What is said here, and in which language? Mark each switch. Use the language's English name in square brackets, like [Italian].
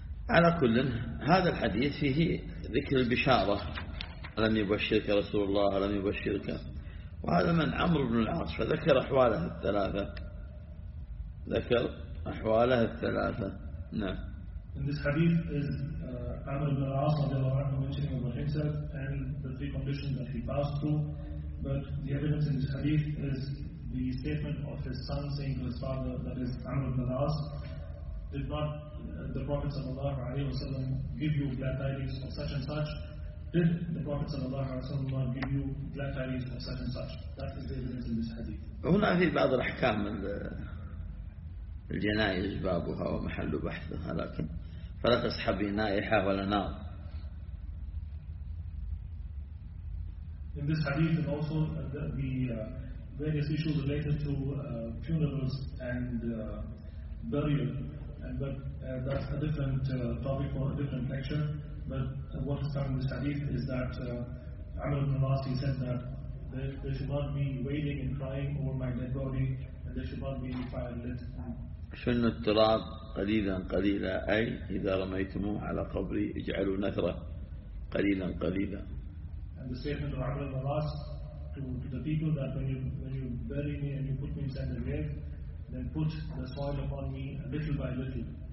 [Arabic] على كل هذا الحديث فيه ذكر البشارة: ألم يبشرك رسول الله، ألم يبشرك. وهذا من عمرو بن العاص، فذكر أحواله الثلاثة، ذكر أحواله الثلاثة. نعم. [English] In this hadith is Amr ibn al-As mentioning about himself and the three conditions that he passed through, but the evidence in this hadith is the statement of his son saying to his father, that is Amr ibn al-As, did not the Prophet sallallahu alayhi wa sallam give you glad tidings of such and such? Did the Prophet sallallahu alayhi wa sallam give you glad tidings of such and such? That is the evidence in this hadith. [Arabic] هنا في بعض الأحكام الجنائز بابها ومحل بحثها، لكن فلا تصحبي نائحة ولا نار. [English] In this hadith and also the various issues related to funerals and burial, and but that's a different topic for a different lecture. But what is coming in this hadith is that Amr ibn al-As said that there should not be wailing and crying over my dead body, and there should not be any fire lit. [Arabic] شنوا التراب قليلا قليلا، أي إذا رميتموه على قبري اجعلوا نثرة قليلا قليلا. [English] And the statement of Amr ibn al-As to the people that when you bury me and you put me inside the grave, then put the soil upon me little by little.